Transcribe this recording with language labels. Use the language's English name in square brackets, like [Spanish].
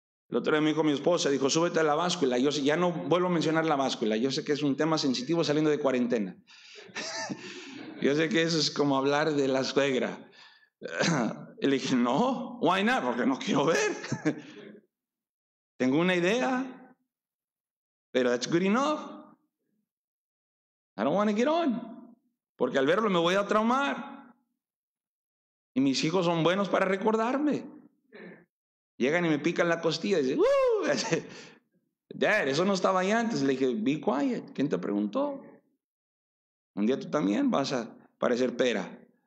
[Spanish] El otro día me dijo mi esposa, dijo, súbete a la báscula. Yo ya no vuelvo a mencionar la báscula. Yo sé que es un tema sensitivo saliendo de cuarentena. Yo sé que eso es como hablar de la suegra. Y le dije, no, [English] why not? [Spanish] Porque no quiero ver. Tengo una idea, pero [English] that's good enough. I don't want to get on. [Spanish] Porque al verlo me voy a traumar. Y mis hijos son buenos para recordarme. Llegan y me pican la costilla. Y dicen, Dad, eso no estaba ahí antes. Le dije, [English] be quiet. [Spanish] ¿Quién te preguntó? Un día tú también vas a parecer pera.